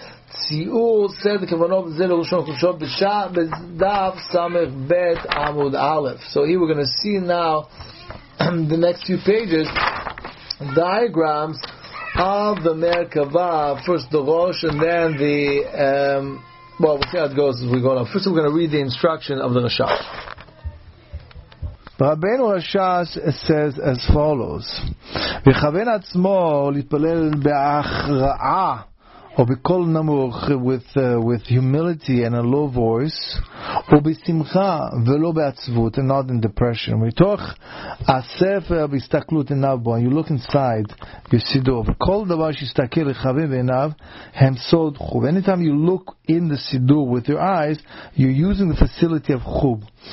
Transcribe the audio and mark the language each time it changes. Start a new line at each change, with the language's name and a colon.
Hebrew: ציור סדר כוונות זה לראשון חושב בשעה בדף סמך בית עמוד א'.
English: So here we're going to see now the next few pages diagrams of the Merkavah, first the Rosh and then the we'll see how it goes as we go on. First we're going to read the instruction of the Rashash. Rabbeinu Rashash says as follows:
Hebrew: וכוון עצמו להתפלל בהכרעה ובכל נמוך
English: with humility and a low voice,
Hebrew: ובשמחה ולא בעצבות,
English: and not in depression.
Hebrew: מתוך הספר בהסתכלות עיניו בו,
English: and you look inside your
Hebrew: סידור, וכל דבר שיסתכל לכוון בעיניו, הם סוד חוב.
English: Anytime you look in the סידור with your eyes, you're using the facility of חוב.